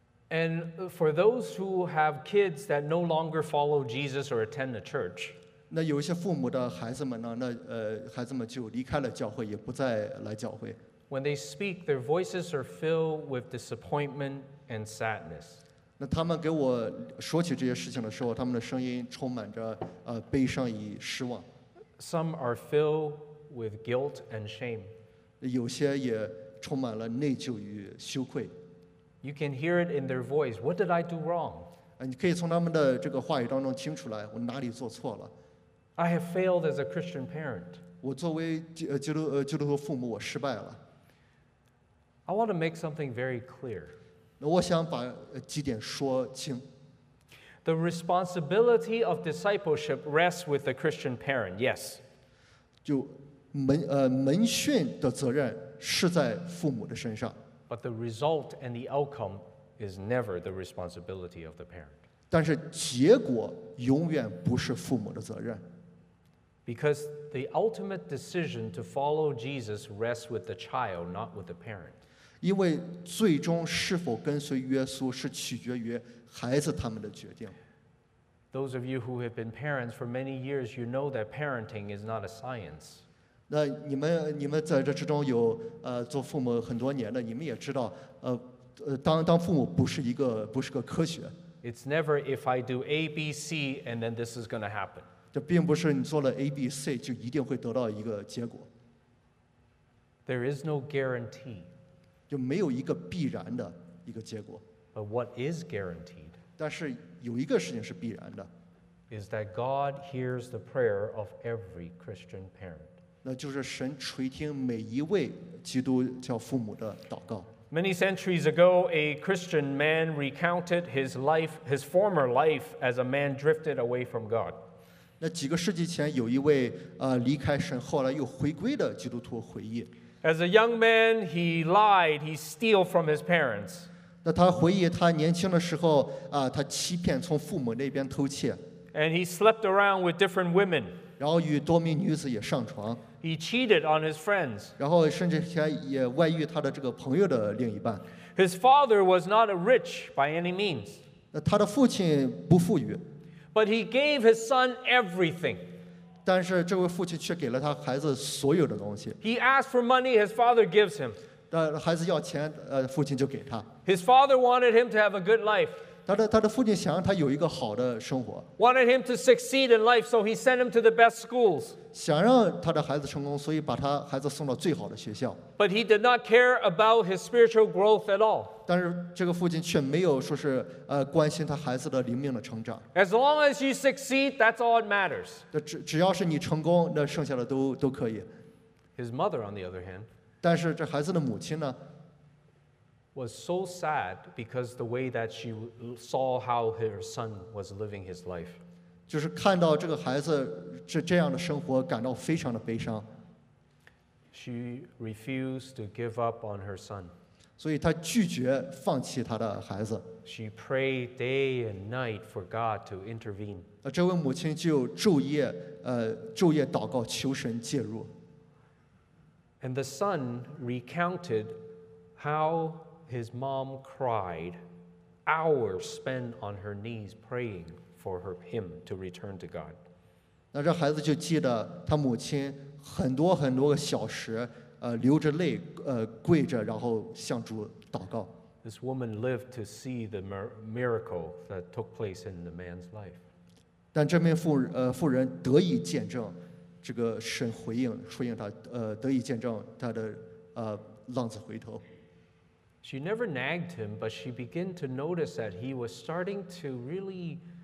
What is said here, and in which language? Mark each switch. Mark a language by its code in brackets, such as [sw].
[en] And for those who have kids that no longer follow Jesus or attend the church, [zh] 那有一些父母的孩子们呢？那孩子们就离开了教会，也不再来教会。 [en] When they speak, their voices are filled with disappointment and sadness. [zh] 那他们给我说起这些事情的时候，他们的声音充满着悲伤与失望。 [en] Some are filled with guilt and shame. [zh] 有些也充满了内疚与羞愧。 [en] You can hear it in their voice. What did I do wrong? [zh] 你可以从他们的这个话语当中听出来，我哪里做错了。 [en] I have failed as a Christian parent. [zh] 我作为基督徒父母，我失败了。 [en] I want to make something very clear. [zh] 那我想把几点说清。 [en] The responsibility of discipleship rests with the Christian parent. Yes. [zh] 就门训的责任是在父母的身上。 [en] But the result and the outcome is never the responsibility of the parent. [zh] 但是结果永远不是父母的责任。 [en] Because the ultimate decision to follow Jesus rests with the child, not with the parent. [zh] 因为最终是否跟随耶稣是取决于孩子他们的决定。 [en] Those of you who have been parents for many years, you know that parenting is not a science. [zh] 那你们在这之中有做父母很多年的，你们也知道当父母不是个科学。 [en] It's never if I do A, B, C, and then this is going to happen. [zh] 这并不是你做了 A, B, C 就一定会得到一个结果。 [en] There is no guarantee. [zh] 就没有一个必然的一个结果。 [en] But what is guaranteed? [zh] 但是有一个事情是必然的。 [en] Is that God hears the prayer of every Christian parent. [zh] 那就是神垂听每一位基督教父母的祷告。 [en] Many centuries ago, a Christian man recounted his life, his former life, as a man drifted away from God. [zh] 那几个世纪前有一位离开神后来又回归的基督徒回忆。 [en] As a young man, he lied, he steal from his parents. [zh] 那他回忆他年轻的时候他欺骗从父母那边偷窃。 [en] And he slept around with different women. [zh] 然后与多名女子也上床。 [en] He cheated on his friends. [zh] 然后甚至还也外遇他的这个朋友的另一半。 [en] His father was not a rich by any means. [zh] 他的父亲不富裕。 [en] But he gave his son everything. [zh] 但是这位父亲却给了他孩子所有的东西。 [en] He asked for money, his father gives him. [zh] 孩子要钱，父亲就给他。 [en] His father wanted him to have a good life. [zh] 他的父亲想让他有一个好的生活。 [en] Wanted him to succeed in life, so he sent him to the best schools. [zh] 想让他的孩子成功，所以把他孩子送到最好的学校。 [en] But he did not care about his spiritual growth at all. [zh] 但是这个父亲却没有说是关心他孩子的灵命的成长。 [en] As long as you succeed, that's all that matters. [zh] 只要是你成功，那剩下的都可以。 [en] His mother, on the other hand, [zh] 但是这孩子的母亲呢 [en] ，was so sad because the way that she saw how her son was living his life. [zh] 就是看到这个孩子这样的生活感到非常的悲伤。 [en] She refused to give up on her son. [zh] 所以她拒绝放弃她的孩子。 [en] She prayed day and night for God to intervene. [zh] 这位母亲就昼夜祷告求神介入。 [en] And the son recounted how his mom cried hours spent on her knees praying. For him to return to God. [zh] 那这孩子就记得他母亲很多很多个小时，流着泪，跪着，然后向主祷告。 [en] This woman lived to see the miracle that took place in the man's life. [zh] 但这名妇人得以见证这个神回应他，得以见证他的浪子回头。 [en] She never nagged him, but she began to notice that he was starting to really.